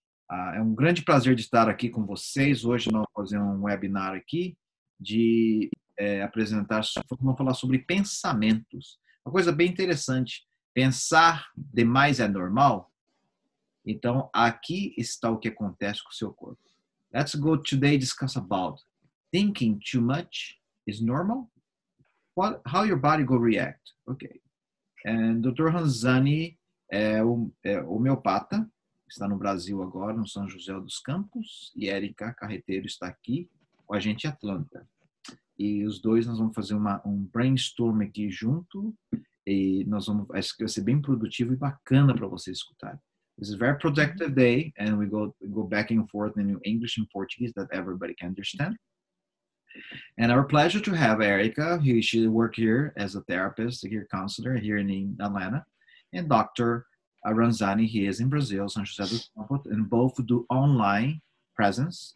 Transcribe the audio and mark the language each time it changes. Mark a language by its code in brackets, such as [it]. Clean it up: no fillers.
[pt] É um grande prazer de estar aqui com vocês. Hoje nós vamos fazer um webinar aqui de apresentar, vamos falar sobre pensamentos. Uma coisa bem interessante. Pensar demais é normal? Então, aqui está o que acontece com o seu corpo. [en] Let's go today discuss about thinking too much is normal? What, how your body will react? Okay. And Dr. [pt] Ranzani é homeopata, está no Brasil agora, no São José dos Campos. E Erica Carretero está aqui com a gente em Atlanta. E os dois nós vamos fazer um brainstorm aqui junto. E nós vamos, acho que vai ser bem produtivo e bacana para vocês escutarem. [en] This is a very productive day, and we go back and forth in English and Portuguese that everybody can understand. And our pleasure to have Erica, who she work here as a therapist, a peer counselor here in Atlanta, and Dr. Ranzani, he is in Brazil, São José dos Campos, and both do online presence.